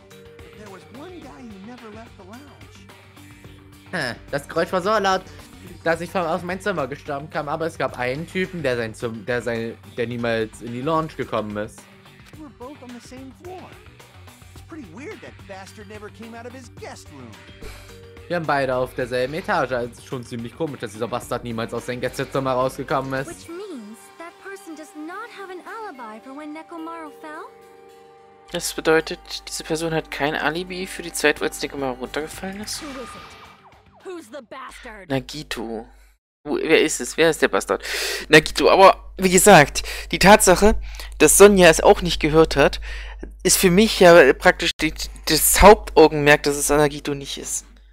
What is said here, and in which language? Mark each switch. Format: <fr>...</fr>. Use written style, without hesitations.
<en>But there was one guy who never left the lounge.</en> <de>Das Geräusch war so laut, dass ich aus meinem Zimmer gestorben kam, aber es gab einen Typen, der niemals in die Lounge gekommen ist.</de> <en>We were both on the same floor. It's pretty weird that bastard never came out of his guest room.</en> <de>Wir haben beide auf derselben Etage. Es ist schon ziemlich komisch, dass dieser Bastard niemals aus seinem Gästezimmer rausgekommen ist.</de> <en>Which means that person does not have an alibi for when Nekomaru fell.</en> <de>Das bedeutet, diese Person hat kein Alibi für die Zeit, als Nekomaru runtergefallen ist.</de> <en>Who is it? Who's the bastard?</en> <de>Nagito. Wer ist es? Wer ist der Bastard? Nagito, aber wie gesagt, die Tatsache, dass Sonja es auch nicht gehört hat, ist für mich ja praktisch das Hauptaugenmerk, dass es an Nagito nicht ist.</de>